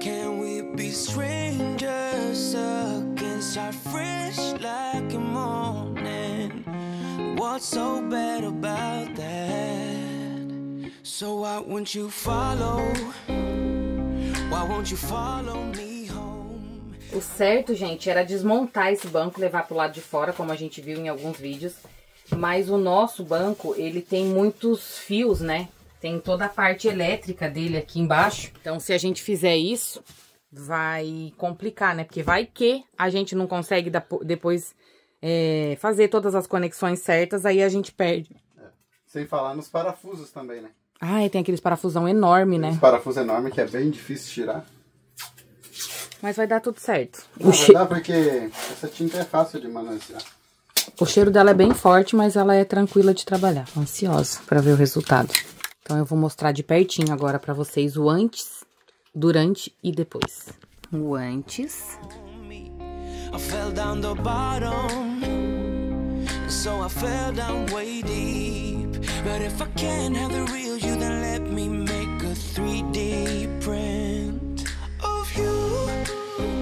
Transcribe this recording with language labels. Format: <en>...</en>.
<en>Can we be strangers again? Start fresh like a morning. What's so bad about that? So why won't you follow? Why won't you follow me home?</en> <pt>O certo, gente, era desmontar esse banco, levar pro lado de fora, como a gente viu em alguns vídeos. Mas o nosso banco, ele tem muitos fios, né? Tem toda a parte elétrica dele aqui embaixo. Então, se a gente fizer isso, vai complicar, né? Porque vai que a gente não consegue depois fazer todas as conexões certas, aí a gente perde. Sem falar nos parafusos também, né? Ah, tem aqueles parafusão enorme, né? Um parafuso enorme que é bem difícil tirar. Mas vai dar tudo certo. Vai dar porque essa tinta é fácil de manusear. O cheiro dela é bem forte, mas ela é tranquila de trabalhar. Ansiosa pra ver o resultado. Então eu vou mostrar de pertinho agora pra vocês o antes, durante e depois. O antes.</pt> <en>I fell down the bottom, so I fell down way deep. But if I can have the real you, then let me make a 3D print of you.</en>